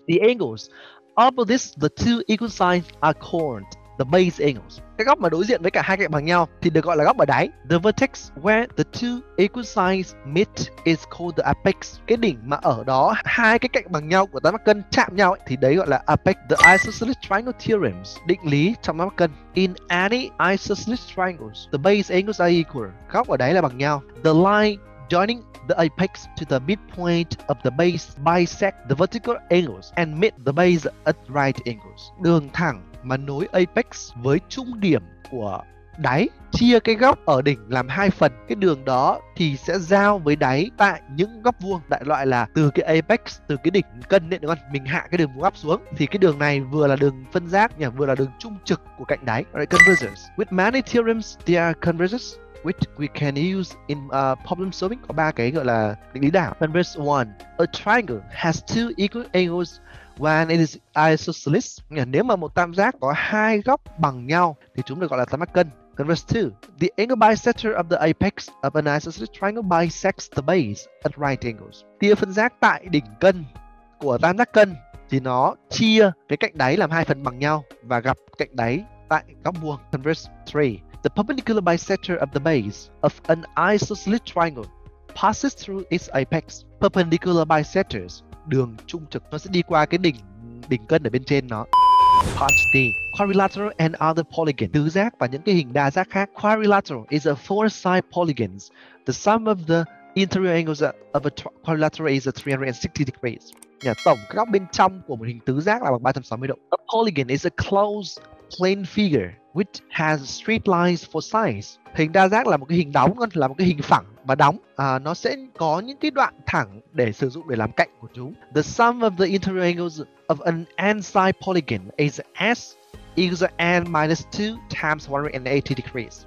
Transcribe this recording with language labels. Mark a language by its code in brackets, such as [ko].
[en] The angles of this, the two equal sides are called the base angles. [vi] Cái góc mà đối diện với cả hai cạnh bằng nhau thì được gọi là góc ở đáy. [en] The vertex where the two equal sides meet is called the apex. [vi] Cái đỉnh mà ở đó hai cái cạnh bằng nhau của tam giác cân chạm nhau ấy, thì đấy gọi là apex. [en] The isosceles triangle theorems, [vi] định lý trong tam giác cân. [en] In any isosceles triangles, the base angles are equal. [vi] Góc ở đáy là bằng nhau. [en] The line joining the apex to the midpoint of the base bisect the vertical angles and meet the base at right angles. [vi] Đường thẳng mà nối apex với trung điểm của đáy chia cái góc ở đỉnh làm hai phần. Cái đường đó thì sẽ giao với đáy tại những góc vuông. Đại loại là từ cái apex, từ cái đỉnh cân đấy, đúng không? Mình hạ cái đường vuông góc xuống thì cái đường này vừa là đường phân giác nhỉ, vừa là đường trung trực của cạnh đáy. [en] Right, converges. With many theorems, they are converges. Which we can use in problem solving. [vi] Có ba cái gọi là định lý đảo. [en] Converse 1. A triangle has two equal angles when it is isosceles. [vi] Nếu mà một tam giác có hai góc bằng nhau thì chúng được gọi là tam giác cân. Converse 2. [en] The angle bisector of the apex of an isosceles triangle bisects the base at right angles. [vi] Tia phân giác tại đỉnh cân của tam giác cân thì nó chia cái cạnh đáy làm hai phần bằng nhau và gặp cạnh đáy tại góc vuông. [en] Converse 3. The perpendicular bisector of the base of an isosceles triangle passes through its apex. [vi] Perpendicular bisectors, đường trung trực, nó sẽ đi qua cái đỉnh cân ở bên trên nó. [en] Part D, quadrilateral and other polygons, [vi] tứ giác và những cái hình đa giác khác. [en] Quadrilateral is a four-side polygons. The sum of the interior angles of a quadrilateral is a 360 degrees. [vi] Tổng các góc bên trong của một hình tứ giác là bằng 360 độ. [en] A polygon is a closed plane figure which has straight lines for sides. [vi] Hình đa giác là một cái hình đóng, là một cái hình phẳng và đóng. Nó sẽ có những cái đoạn thẳng để sử dụng để làm cạnh của chúng. [en] The sum of the interior angles of an n-side polygon is s equals n minus 2 times 180 degrees.